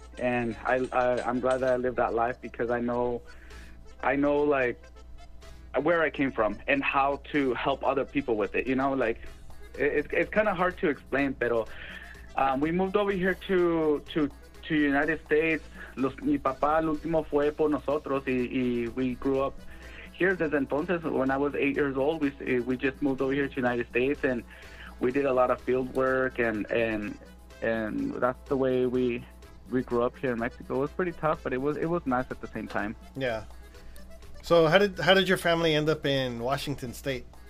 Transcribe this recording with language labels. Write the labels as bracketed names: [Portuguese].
[English] And I'm glad that I lived that life, because I know like where I came from and how to help other people with it. You know, like it's kind of hard to explain, pero we moved over here to United States. [Spanish] Mi papá, el último fue por nosotros, y [English] we grew up here [Spanish] desde entonces. [English] When I was 8 years old, we just moved over here to United States, and we did a lot of field work, and that's the way we grew up here in Mexico. It was pretty tough, but it was nice at the same time. Yeah. So how did your family end up in Washington State?